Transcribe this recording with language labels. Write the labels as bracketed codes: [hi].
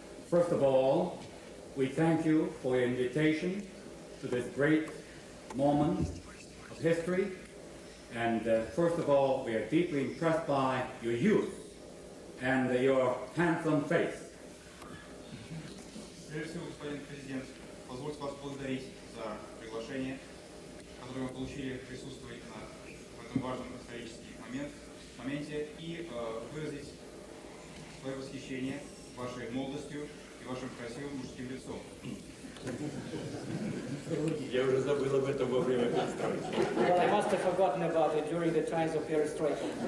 [en] First of all, we thank you for your invitation to this great moment of history. And first of all, we are deeply impressed by your youth and your handsome face. [ru] Прежде всего, господин президент, позвольте вас поблагодарить за приглашение, которое вы получили присутствовать на этом важном историческом моменте и выразить свое восхищение вашей молодостью и вашим красивым мужским лицом. Я уже забыл об этом во время перестройки. [en] Well, I must have forgotten about it during the times of perestroika.